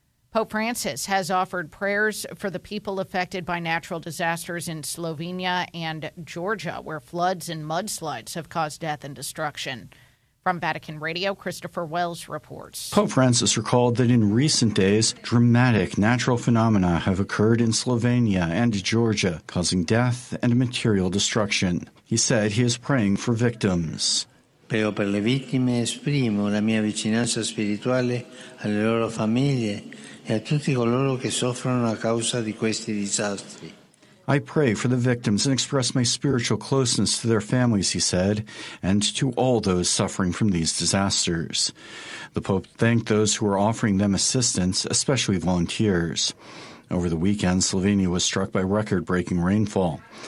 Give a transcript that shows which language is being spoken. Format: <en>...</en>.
<en>Pope Francis has offered prayers for the people affected by natural disasters in Slovenia and Georgia, where floods and mudslides have caused death and destruction. From Vatican Radio, Christopher Wells reports. Pope Francis recalled that in recent days, dramatic natural phenomena have occurred in Slovenia and Georgia, causing death and material destruction. He said he is praying for victims.</en> <it>Prego per le vittime, esprimo la mia vicinanza spirituale alle loro famiglie e a tutti coloro che soffrono a causa di questi disastri.</it> <en>I pray for the victims and express my spiritual closeness to their families, he said, and to all those suffering from these disasters. The Pope thanked those who were offering them assistance, especially volunteers. Over the weekend, Slovenia was struck by record-breaking rainfall.</en>